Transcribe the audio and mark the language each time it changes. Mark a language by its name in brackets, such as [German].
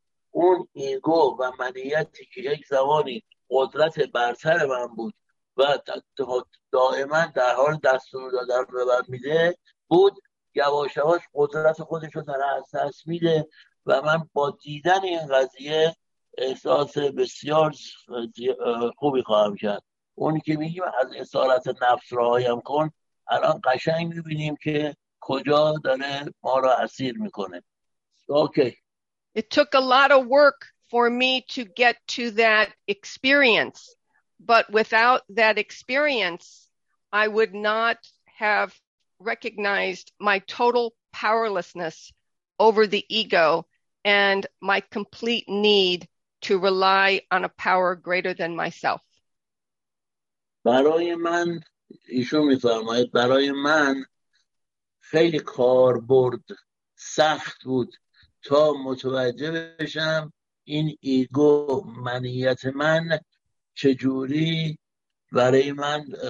[Persian] اون ایگو و منیتی که یک زمانی قدرت برتر من بود و دائما در حال دستور دادن به من میده بود، یواش یواش قدرت خودش رو داره از دست میده و من با دیدن این قضیه احساس بسیار خوبی خواهم کرد. اونی که میگیم از اسارت نفس رهایم کن، الان قشنگ میبینیم که کجا داره ما را اسیر میکنه. اوکی. [English] It took a lot of work for me to get to that experience, but without that experience, I would not have recognized my total powerlessness over the ego and my complete need to rely on a power greater than myself. [Persian] برای من، ایشون میفرماید، برای من خیلی کاربرد سخت بود تا متوجه بشم این ایگو، منیت من چجوری برای من